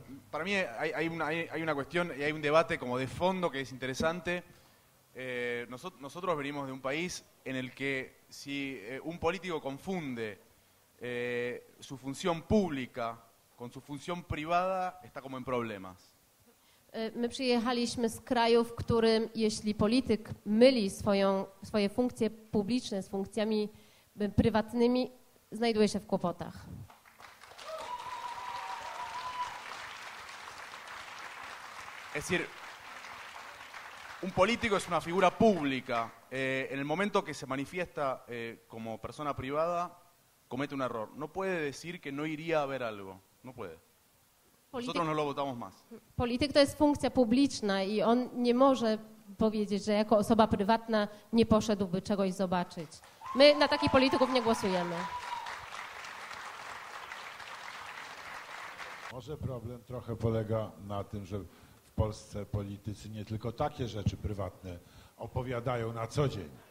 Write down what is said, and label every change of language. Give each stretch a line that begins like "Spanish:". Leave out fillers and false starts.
Spanish: Para mí hay una cuestión y hay un debate como de fondo que es interesante. Nosotros venimos de un país en el que si un político confunde su función pública con su función privada, está como en problemas.
Polish: My przyjechaliśmy z kraju, w którym jeśli polityk myli swoje funkcje publiczne z funkcjami prywatnymi, znajduje się w kłopotach.
Spanish: Es decir, un político es una figura pública. En el momento que se manifiesta como persona privada, comete un error. No puede decir que no iría a ver algo. No puede. Nosotros no lo votamos más.
Polish: Polityk to jest funkcja publiczna i on nie może powiedzieć, że jako osoba prywatna nie poszedłby czegoś zobaczyć. My na takich polityków nie głosujemy. Może problem trochę polega na tym, że w Polsce politycy nie tylko takie rzeczy prywatne opowiadają na co dzień.